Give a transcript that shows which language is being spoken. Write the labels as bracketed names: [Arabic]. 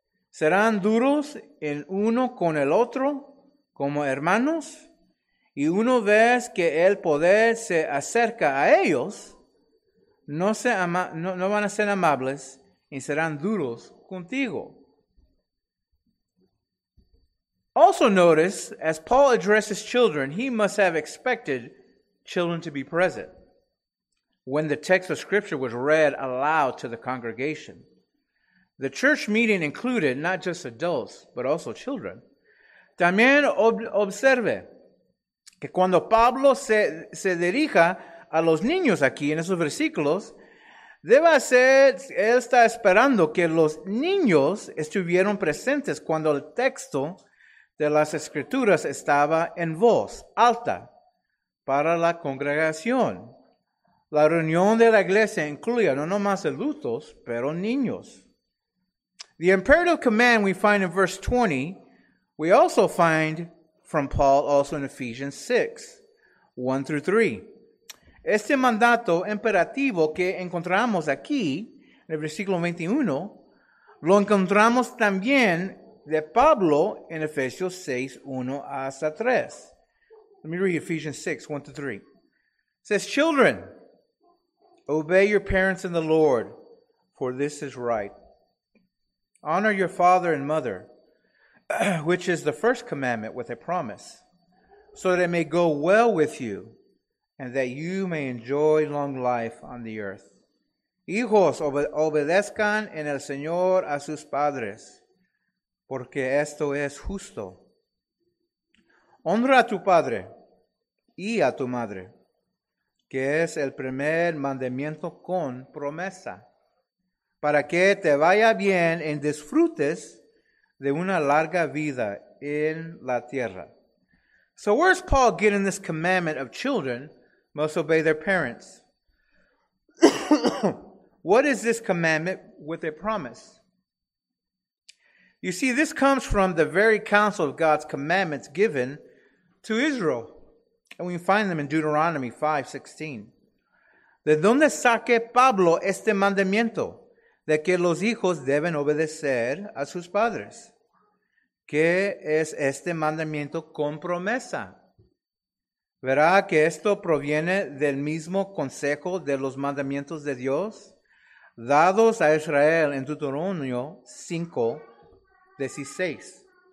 [Spanish] Serán duros el uno con el otro como hermanos, y una vez que el poder se acerca a ellos, no van a ser amables y serán duros contigo. [English] Also notice, as Paul addresses children, he must have expected children to be present when the text of Scripture was read aloud to the congregation. The church meeting included not just adults, but also children. [Spanish] También observe que cuando Pablo se dirija a los niños aquí en esos versículos, debe ser, él está esperando que los niños estuvieron presentes cuando el texto de las Escrituras estaba en voz alta para la congregación. La reunión de la iglesia incluía no nomás adultos, pero niños. [English] The imperative command we find in verse 20, we also find from Paul also in Ephesians 6, 1 through 3. [Spanish] Este mandato imperativo que encontramos aquí en el versículo 21, lo encontramos también de Pablo en Efesios 6, 1 hasta 3. [English] Let me read Ephesians 6, 1 to 3. It says, "Children, obey your parents in the Lord, for this is right. Honor your father and mother, which is the first commandment with a promise, so that it may go well with you, and that you may enjoy long life on the earth. [Spanish] Hijos, obedezcan en el Señor a sus padres, porque esto es justo. Honra a tu padre y a tu madre, que es el primer mandamiento con promesa, para que te vaya bien y disfrutes de una larga vida en la tierra." [English] So where's Paul getting this commandment of children must obey their parents? What is this commandment with a promise? You see, this comes from the very counsel of God's commandments given to Israel. And we find them in Deuteronomy 5:16. [Spanish] ¿De dónde saque Pablo este mandamiento de que los hijos deben obedecer a sus padres? ¿Qué es este mandamiento con promesa? Verá que esto proviene del mismo consejo de los mandamientos de Dios dados a Israel en Deuteronomio 5:16.